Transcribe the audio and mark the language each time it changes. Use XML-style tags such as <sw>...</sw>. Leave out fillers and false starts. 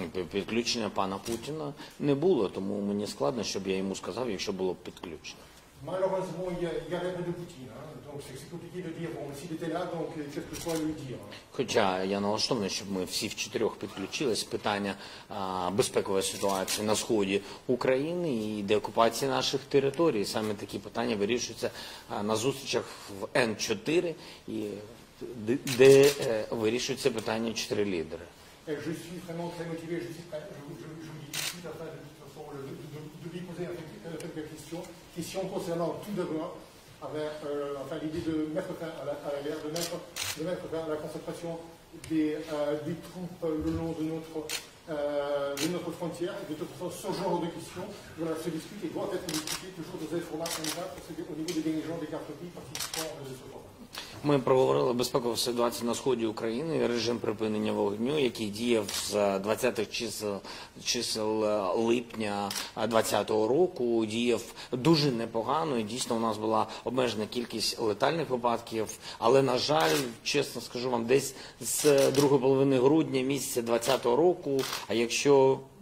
<uk>Підключення пана Путіна не було, тому мені складно, щоб я йому сказав, якщо було підключено.</uk> <fr>Malheureusement, il y a la de Poutine, hein, donc c'est compliqué de dire, bon, s'il était là, donc qu'est-ce que je pourrais lui dire?</fr> <uk>Хоча я налаштований, щоб ми всі в чотирьох підключились. Питання безпекової ситуації на сході України і деокупації наших територій. Саме такі питання вирішуються на зустрічах в N4, і де вирішуються питання чотири лідери.</uk> <fr>Je suis vraiment très motivé, je suis prêt, je vous dis tout à fait de toute façon de lui poser quelques questions concernant tout d'abord avec enfin l'idée de mettre fin à la guerre, de mettre fin à la concentration des troupes le long de notre frontière, et de toute façon ce genre de questions voilà, se discute et doit être discuté toujours dans un format comme ça, parce que, au niveau des dirigeants des quatre pays participants de ce format.</fr> <uk>Ми проговорили безпекову ситуацію на сході України, режим припинення вогню, який діяв з 20-х чисел липня 20-го року, діяв дуже непогано, і дійсно у нас була обмежена кількість летальних випадків, але, на жаль, чесно скажу вам, десь з другої половини грудня місяця 20-го року, а якщо</uk>